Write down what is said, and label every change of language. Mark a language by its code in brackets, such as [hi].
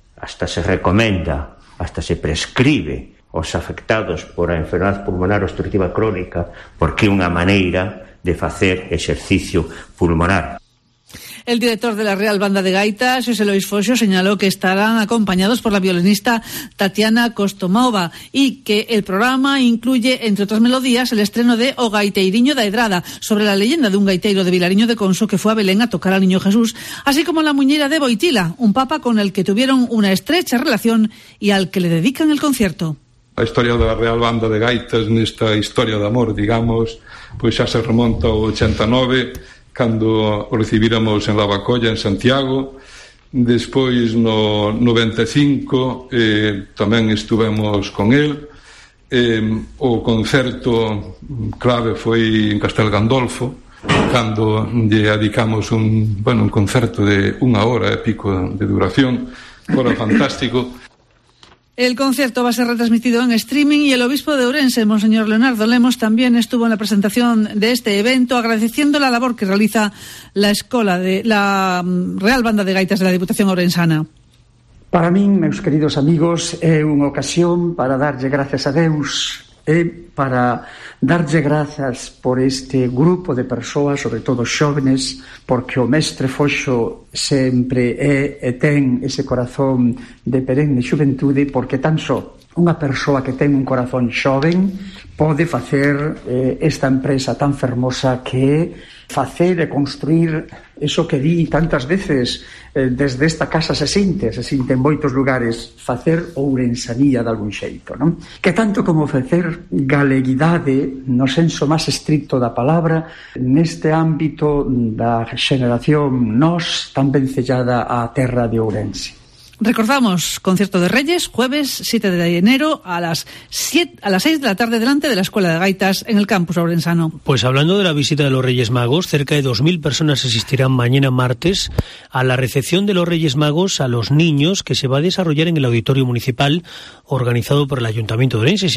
[gl] Hasta se recomenda, hasta se prescribe os afectados por a enfermedad pulmonar obstructiva crónica, porque é unha maneira de facer exercicio pulmonar. [es] El director de la Real Banda de Gaitas, José Luis Foxo, señaló que estarán acompañados por la violinista Tatiana Kostomova y que el programa incluye, entre otras melodías, el estreno de O Gaiteiriño da Edrada, sobre la leyenda de un gaiteiro de Vilariño de Conso que fue a Belén a tocar al niño Jesús, así como la muñeira de Boitila, un papa con el que tuvieron una estrecha relación y al que le dedican el concierto. [gl] A historia da Real Banda de Gaitas nesta historia de amor, digamos, pois xa se remonta ao 89, cando o recibíramos en La Bacolla, en Santiago. Despois, no 95, tamén estuvemos con él. O concerto clave foi en Castel Gandolfo, cando lle adicamos un concerto de unha hora e pico de duración. Fora fantástico. [es] El concierto va a ser retransmitido en streaming y el obispo de Ourense, Monseñor Leonardo Lemos, también estuvo en la presentación de este evento, agradeciendo la labor que realiza la Escola de la Real Banda de Gaitas de la Diputación Ourensana. [gl] Para mí, meus queridos amigos, é unha ocasión para darlle gracias a Deus e para darlle gracias por este grupo de persoas, sobre todo xóvenes, porque o mestre Foxo sempre é e ten ese corazón de perenne xuventude, porque tan só unha persoa que ten un corazón xoven pode facer esta empresa tan fermosa que é facer e construir eso que di tantas veces desde esta casa se sinte en moitos lugares, facer ourensanía de algún xeito, non? Que tanto como facer galeguidade no senso máis estricto da palabra neste ámbito da xeneración nos tan ben sellada a terra de Ourense. [es] Recordamos, concierto de Reyes, jueves 7 de enero a las 6 de la tarde delante de la Escuela de Gaitas en el campus ourensano. Pues hablando de la visita de los Reyes Magos, cerca de 2.000 personas asistirán mañana martes a la recepción de los Reyes Magos a los niños, que se va a desarrollar en el Auditorio Municipal organizado por el Ayuntamiento de Ourense.